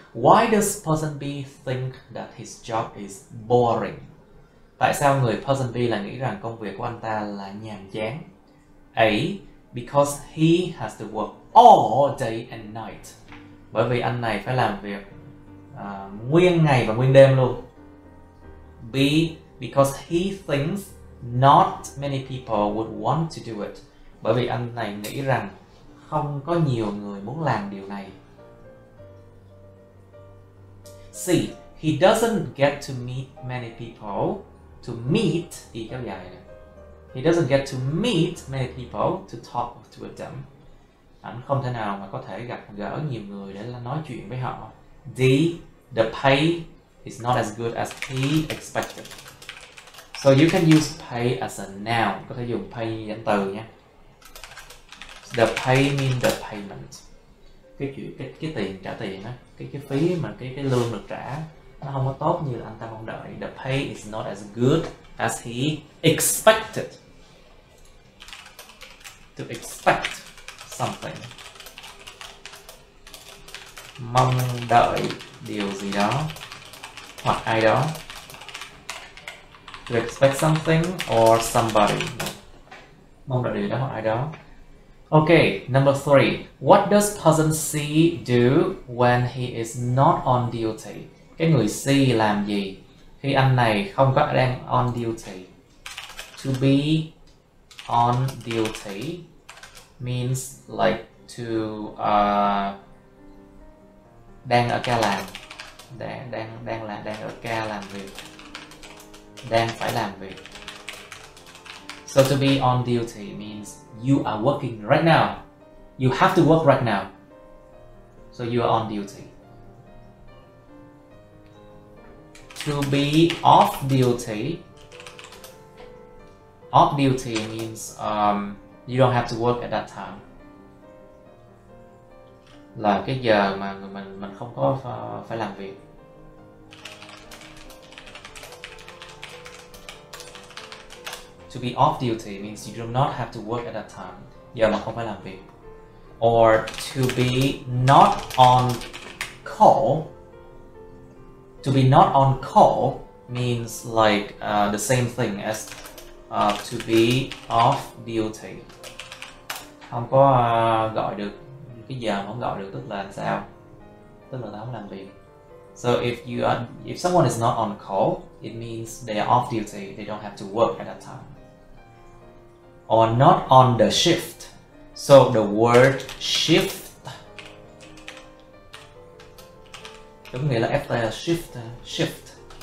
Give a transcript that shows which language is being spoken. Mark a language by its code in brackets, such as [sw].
[en] Why does person B think that his job is boring? [vi] Tại sao người person B lại nghĩ rằng công việc của anh ta là nhàm chán? [en] A. Because he has to work all day and night. [vi] Bởi vì anh này phải làm việc nguyên ngày và nguyên đêm luôn. [en] B. Because he thinks not many people would want to do it. [vi] Bởi vì anh này nghĩ rằng không có nhiều người muốn làm điều này. [en] C. He doesn't get to meet many people. To meet [vi] đi kéo dài này. [en] He doesn't get to meet many people to talk to them. [vi] Anh không thể nào mà có thể gặp gỡ nhiều người để nói chuyện với họ. [en] D. The pay is not as good as he expected. So you can use pay as a noun. [vi] Có thể dùng pay như danh từ nhé. [en] The pay means the payment. [vi] Cái chuyện cái tiền trả tiền á, cái phí mà cái lương được trả nó không có tốt như là anh ta mong đợi. [en] The pay is not as good as he expected. To expect something. [vi] Mong đợi điều gì đó hoặc ai đó. [en] To expect something or somebody. [vi] Mong đợi điều đó hoặc ai đó. [en] Okay, number three. What does person C do when he is not on duty? [vi] Cái người C làm gì khi anh này không có đang on duty? [en] To be on duty means like to [vi] đang ở ca làm, đang ở ca làm việc, đang phải làm việc. [en] So to be on duty means you are working right now. You have to work right now. So you are on duty. To be off duty. Off duty means you don't have to work at that time. [vi] Là cái giờ mà mình không có phải làm việc. [en] To be off duty means you do not have to work at that time. [vi] Giờ mà không phải làm việc. [en] Or to be not on call. To be not on call means like the same thing as to be off duty. [vi] Không có gọi được. Cái giờ mà không gọi được tức là sao? Tức là không làm việc. [en] So if someone is not on call, it means they are off duty. They don't have to work at that time. Or not on the shift. So the word shift [vi] đúng nghĩa là [en] F-T, shift.